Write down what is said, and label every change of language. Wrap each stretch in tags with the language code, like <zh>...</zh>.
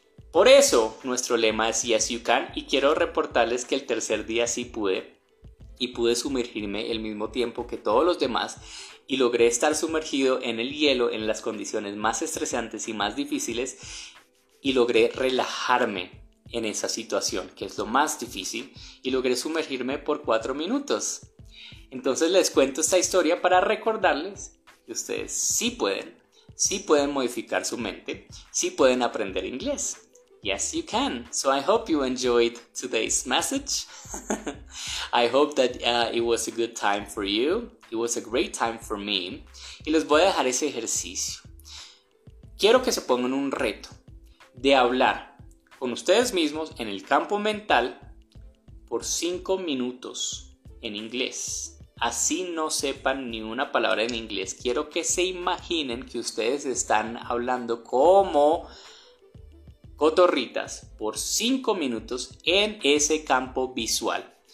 <es>Por eso nuestro lema es Yes You Can, y quiero reportarles que el tercer día sí pude y pude sumergirme el mismo tiempo que todos los demás y logré estar sumergido en el hielo en las condiciones más estresantes y más difíciles y logré relajarme en esa situación, que es lo más difícil, y logré sumergirme por 4 minutos. Entonces les cuento esta historia para recordarles que ustedes sí pueden modificar su mente, sí pueden aprender inglés.</es> <en>Yes, you can. So I hope you enjoyed today's message. I hope that it was a good time for you. It was a great time for me.</en> <es>Y les voy a dejar ese ejercicio. Quiero que se pongan un reto de hablar con ustedes mismos en el campo mental por 5 minutos en inglés. Así no sepan ni una palabra en inglés. Quiero que se imaginen que ustedes están hablando como cotorritas por 5 minutos en ese campo visual.</es>